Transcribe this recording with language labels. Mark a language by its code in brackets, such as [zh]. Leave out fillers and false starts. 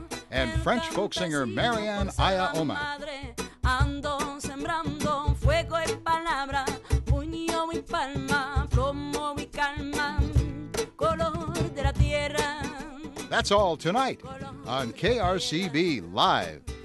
[en] And French folk singer Marianne Aya-Omac. [es] Ando sembrando fuego y palabra, puño y palma, plomo y calma, color de la tierra. [en] That's all tonight on KRCB Live.